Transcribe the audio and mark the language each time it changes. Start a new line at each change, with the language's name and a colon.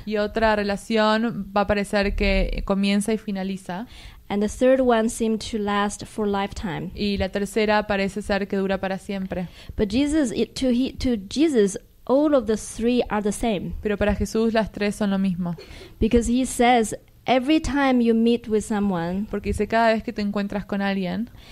Spanish: Y otra relación va a parecer que comienza y finaliza.
English: And the third one seemed to last for lifetime.
Spanish: Y la tercera parece ser que dura para siempre.
English: But Jesus, to Jesus, all of the three are the same.
Spanish: Pero para Jesús las tres son lo mismo.
English: Because he says, every time you meet with someone,
Spanish: porque dice cada vez que te encuentras con alguien,